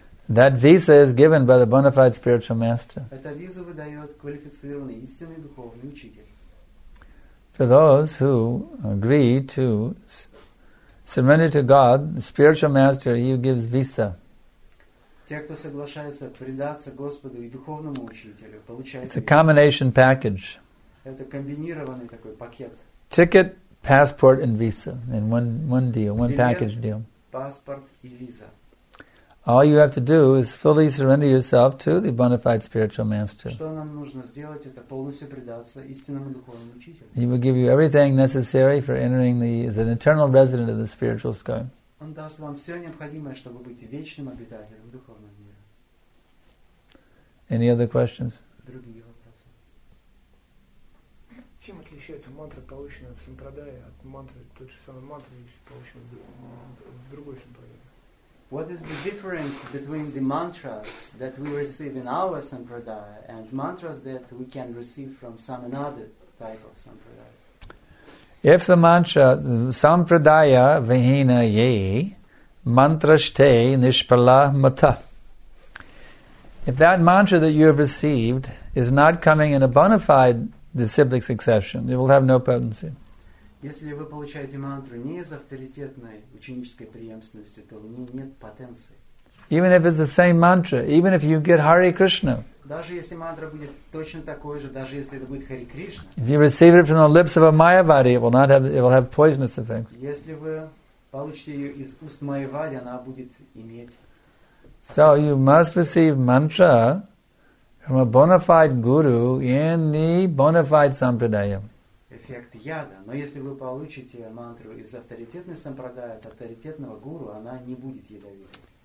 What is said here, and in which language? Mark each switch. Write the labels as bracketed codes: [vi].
[en] That visa is given by the bona fide spiritual master. [ru] Эта виза выдаёт квалифицированный истинный духовный учитель. [en] For those who agree to surrender to God, the spiritual master, he gives visa. [ru] Те, кто соглашается предаться Господу и духовному учителю, получают [en] visa. It's a combination package. [ru] Это комбинированный такой пакет. [en] Ticket, passport and visa in one deal, one package deal. [ru] Паспорт и виза. [en] All you have to do is fully surrender yourself to the bona fide spiritual master. [ru] Что нам нужно сделать, это полностью предаться истинному духовному учителю. [en] He will give you everything necessary for entering the as an eternal resident of the spiritual sky. [ru] Он даст вам все необходимое, чтобы быть вечным обитателем духовного мира. [en] Any other questions? [ru] Другие вопросы. Чем отличается мантра, полученная в сампрадае, от мантры, тот же самый мантра, если полученная в другой сампрадае? [en] What is the difference between the mantras that we receive in our sampradaya and mantras that we can receive from some another type of sampradaya? If the mantra [sa] sampradaya vihina ye mantraste nishpala mata. [en] If that mantra that you have received is not coming in a bona fide the siblic succession, it will have no potency. [ru] Если вы получаете мантру не из авторитетной ученической преемственности, то в ней нет потенции. [en] Even if it's the same mantra, even if you get Hare Krishna, [ru] даже если мантра будет точно такой же, даже если это будет Хари Кришна. [en] If you receive it from the lips of a Mayavadi, it will have poisonous effect. [ru] Если вы получите ее из уст Майявади, она будет иметь. [en] So you must receive mantra from a bona fide guru in the bona fide sampradaya. [ru] Эффект яда. Но если вы получите мантру из авторитетной сампрадаи, от авторитетного гуру, она не будет ядовитой.